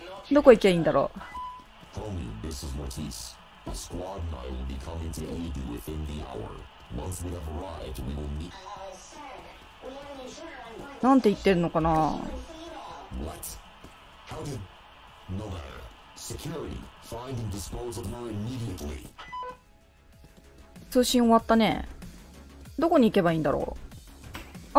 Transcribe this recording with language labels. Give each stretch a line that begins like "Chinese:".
Japanese: どこ行けばいいんだろう。なんて言ってるのかな。
English: Nova. Security. Find and dispose of her immediately.
Japanese: 通信終わったね。どこに行けばいいんだろう。